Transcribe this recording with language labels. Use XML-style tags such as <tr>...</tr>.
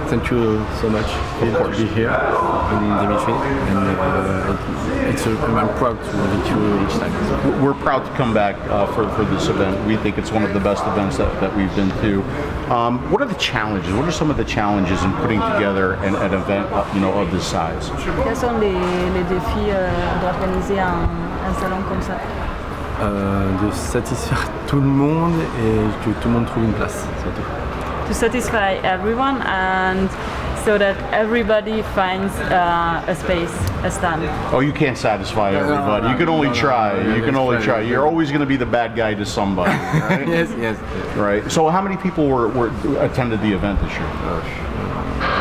<en>Thank you so much for being here, Dimitri. And I'm proud to meet you each time. We're proud to come back for this event. We think it's one of the best events that we've been to. What are the challenges? What are some of the challenges in putting together an event, of this size?</en> <fr>Quels sont les défis d'organiser un salon comme ça? De satisfaire tout le monde et que tout le monde trouve une place, c'est tout.</fr> <en>To satisfy everyone and so that everybody finds a space, a stand. Oh, you can't satisfy everybody. No, you can only try. You can only try. You're always going to be the bad guy to somebody. Right? Yes, yes. Right. So how many people were attended the event this year?</en>